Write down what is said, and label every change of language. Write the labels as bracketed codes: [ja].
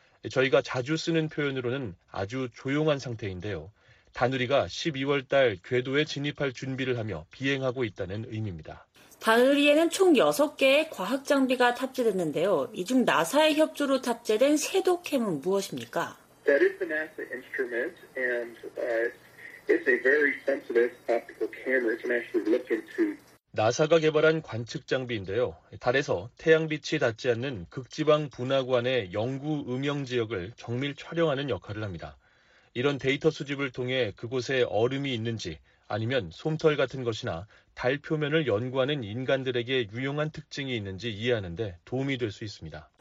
[ko] 저희가 자주 쓰는 표현으로는 아주 조용한 상태인데요. 다누리가 12월 달 궤도에 진입할 준비를 하며 비행하고 있다는 의미입니다. 다누리에는 총 6개의 과학 장비가 탑재됐는데요. 이 중 나사의 협조로 탑재된 섀도캠은 무엇입니까? [en] That is the NASA instrument and it's a very sensitive optical camera. It can actually look into [ko] 나사가 개발한 관측 장비인데요. 달에서 태양빛이 닿지 않는 극지방 분화관의 영구 음영 지역을 정밀 촬영하는 역할을 합니다. 이런 데이터 수집을 통해 그곳에 얼음이 있는지 아니면 솜털 같은 것이나 달 표면을 연구하는 인간들에게 유용한 특징이 있는지 이해하는 데 도움이 될 수 있습니다.